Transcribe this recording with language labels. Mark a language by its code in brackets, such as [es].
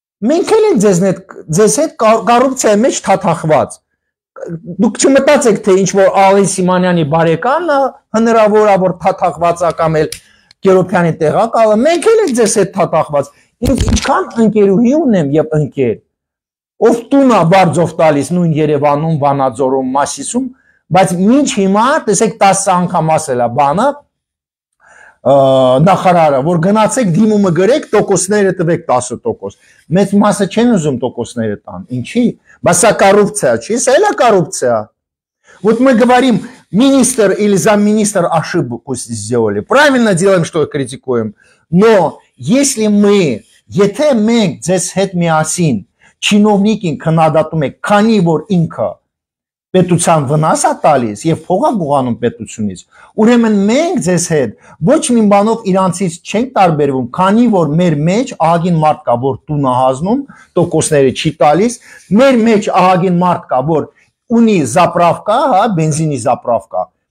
[hy] մենք էլ ենք ձեզ հետ կոռուպցիայի մեջ թաթախված։ Դուք չմտածեք, թե ինչ որ Ալին Սիմանյանի բարեկանը հնարավոր է որ թաթախված է կամ էլ Կերոբյանի տեղակալը, մենք էլ ենք ձեզ հետ թաթախված։ Ինչքան ընկերուհի ունեմ եւ ընկեր, ով տուն է բարձով տալիս նույն Երևանում, Վանաձորում, Մասիսում, բայց ոչ հիմա, տեսեք 10 անգամ ասել է բանը, նախարարը, որ գնացեք դիմումը գրեք, տոկոսները տվեք 10%։ Մեծ մասը չեն ուզում տոկոսները տան։ Ինչի՞։ [ru] Баса коррупция, чи сильна коррупция? Вот мы говорим, министр или замминистр ошибку сделали. Правильно делаем, что критикуем. Но если мы, [hy] եթե մենք ձեզ հետ միասին չինովնիկին քննադատում եք, քանի որ ինքը պետության վնաս է տալիս եւ փող է գողանում պետությունից, ուրեմն մենք ձեզ հետ ոչ մի բանով իրանցից չենք տարբերվում, քանի որ մեր մեջ ահագին մարդ կա, որ տունահանձնում, տոկոսները չի տալիս, մեր մեջ ահագին մարդ կա, որ ունի զապրավկա, հա, բենզինի զապրավկա,